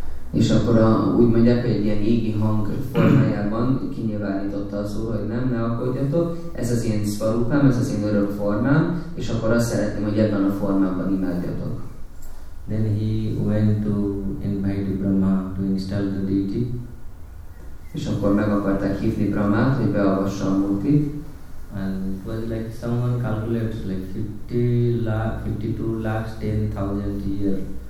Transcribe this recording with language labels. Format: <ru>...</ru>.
<hu>És akkor úgy mondják, hogy egy ilyen égi hang formájában kinyilvánította az Úr, hogy nem, ne aggódjatok, ez az én szvarupám, ez az én örök formám, és akkor azt szeretném, hogy ebben a formában imádjatok.</hu> <en>Then he went to invite Brahma to install the deity.</en> <hu>És akkor meg akarták hívni Brahmát, hogy beavassa a Murtit.</hu> <en>And it was like someone calculates like 52,10,000 years.</en>